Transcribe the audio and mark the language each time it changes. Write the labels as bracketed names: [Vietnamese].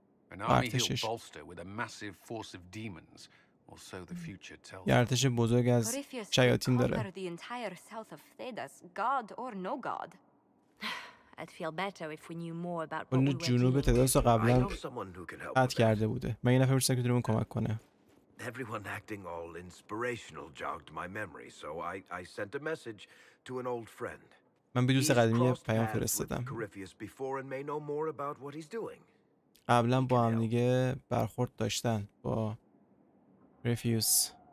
[English] An army he'll bolster with a massive force of demons, or so the future tells. [Persian] یه ارتش بزرگ از شیاطین داره. [English] Conquer the entire south of Thedas, god or no god. I'd feel better if we knew more about what we're doing. [Persian] اون جنوب تداس قبلا قطع کرده بوده. من یه نفر میشناسم که بتونه کمک کنه. [English] Everyone acting all inspirational jogged my memory, so I sent a message to an old friend. [Persian] من به دوست قدیمی پیام فرستادم. [English] Corypheus before and may know more about what he's doing. [Persian] قبلا با هم دیگه برخورد داشتن با رفیوس.